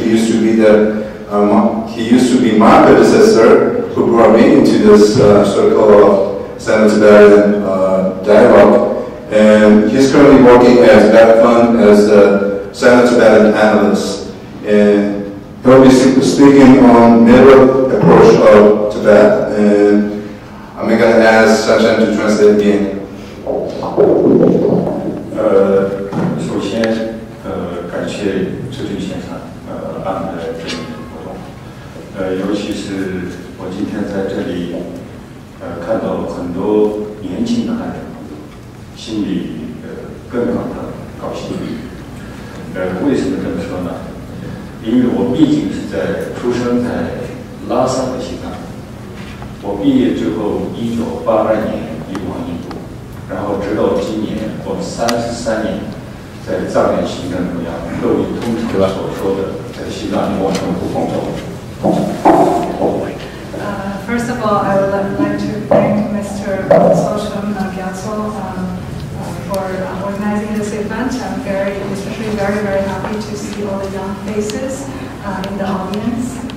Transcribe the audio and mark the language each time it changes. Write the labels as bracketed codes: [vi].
[en] He used to be the, he used to be my predecessor who brought me into this circle of Center for Tibetan dialogue. And he's currently working as that fund as the Center for Tibetan analyst. And he'll be speaking on middle approach of Tibet, and I'm going to ask Sanchen to translate again. [zh] 首先，感谢周俊先生，安排这个活动。尤其是我今天在这里，看到很多年轻的汉人，心里更感到高兴。为什么这么说呢？因为我毕竟是在出生在拉萨的西藏，我毕业之后1982年移往印度，然后直到今年我 33年在藏人行政中央各位通常所说的在西藏我们不奉承。 [en] First of all, I would like to thank Mr. Soshum Gyatso for organizing this event. I'm very, especially very, very happy to see all the young faces in the audience.